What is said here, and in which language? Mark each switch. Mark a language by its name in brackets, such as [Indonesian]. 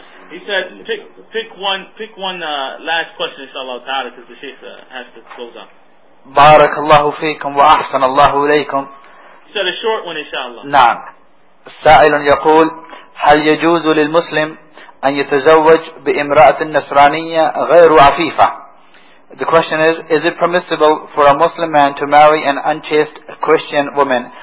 [English] He said, pick one last question, inshallah ta'ala, because the Shaykh has to close up. [Arabic] بارك الله فيكم وأحسن الله إليكم. [English] Said a short one, inshallah. [Arabic] نعم. السائل يقول, هل يجوز للمسلم أن يتزوج بامرأة نصرانية غير عفيفة؟ [English] The question is it permissible for a Muslim man to marry an unchaste Christian woman?